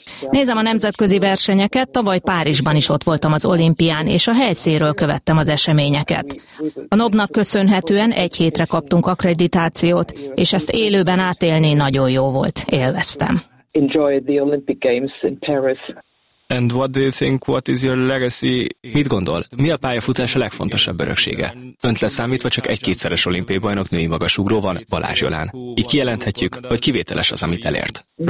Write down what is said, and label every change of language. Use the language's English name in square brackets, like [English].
[Hungarian] Nézem a nemzetközi versenyeket, tavaly Párizsban is ott voltam az olimpián, és a helyszínről követtem az eseményeket. A NOB-nak köszönhetően 1 hétre kaptunk akkreditációt, és ezt élőben átélni nagyon jó volt, élveztem. [English] Enjoy the Olympic Games in Paris. And what do you think, what is your legacy? [Hungarian] Mit gondol? Mi a pályafutása legfontosabb öröksége? Önt leszámítva csak 1-2-szeres olimpiai bajnok női magasugró van, Balázs Jolán. Így kijelenthetjük, hogy kivételes az, amit elért.